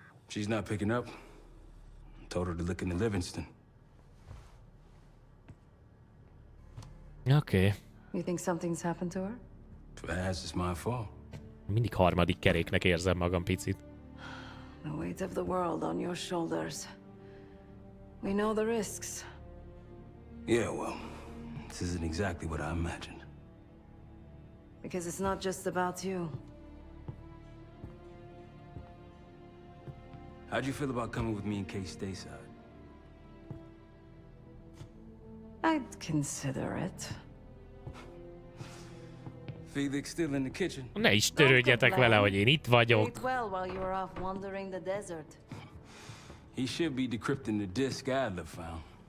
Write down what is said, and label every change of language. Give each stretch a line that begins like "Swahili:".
English: She's not picking up. Told her to look into Livingston. Okay. You think something's happened to her? Perhaps it's my fault.
Hungarian: Mindig harmadik keréknek érzem magam picit.
English: The weight of the world on your shoulders. We know the risks. Yeah, well, this isn't exactly what I imagined. Because it's not just about you. How'd you feel about coming with me in case Stayside? I'd consider it. Felix still in the kitchen.
Hungarian: Ne is törődjetek vele, hogy én itt vagyok.
English: Well, while you were off wandering the desert. He should be decrypting the disc Adler found.